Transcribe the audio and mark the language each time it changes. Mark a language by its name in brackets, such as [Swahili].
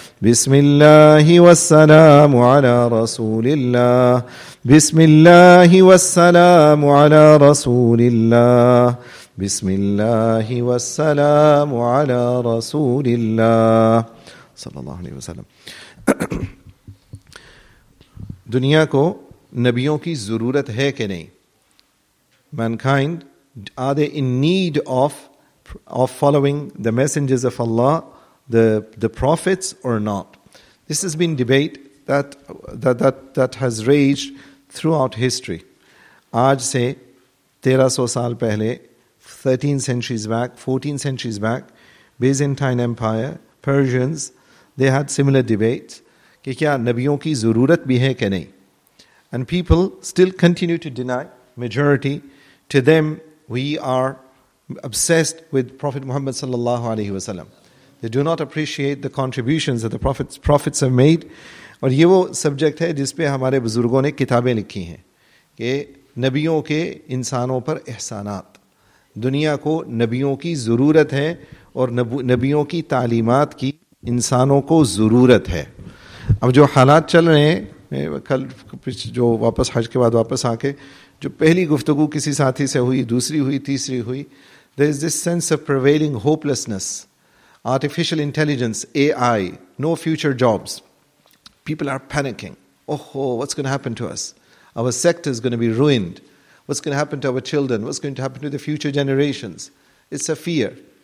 [Arabic] بسم الله والسلام على رسول الله. بسم الله والسلام على رسول الله. بسم الله والسلام على رسول الله صلى الله عليه وسلم. [Urdu] دنیا کو نبیوں کی ضرورت ہے کہ نہیں؟ [English] Mankind, are they in need of following the messengers of Allah, the prophets, or not? This has been debate that has raged throughout history. [Urdu] آج سے 1300 سال پہلے, [English] 13 centuries back, 14 centuries back, Byzantine Empire, Persians, they had similar debates [Urdu] کہ کیا نبیوں کی ضرورت بھی ہے کہ نہیں. [English] And people still continue to deny, majority, to them we are obsessed with Prophet Muhammad sallallahu alaihi wasallam. They do not appreciate the contributions that the prophets have made. [Urdu] اور یہ وہ سبجیکٹ ہے جس پہ ہمارے بزرگوں نے کتابیں لکھی ہیں کہ نبیوں کے انسانوں پر احسانات. دنیا کو نبیوں کی ضرورت ہے اور نبیوں کی تعلیمات کی انسانوں کو ضرورت ہے. اب جو حالات چل رہے ہیں, کل جو واپس حج کے بعد واپس آ کے جو پہلی گفتگو کسی ساتھی سے ہوئی, دوسری ہوئی, تیسری ہوئی, [English] There is this sense of prevailing hopelessness. Artificial intelligence, AI, no future jobs. People are panicking. Oh, what's going to happen to us? Our sector is going to be ruined. What's going to happen to our children? What's going to happen to the future generations? It's a fear.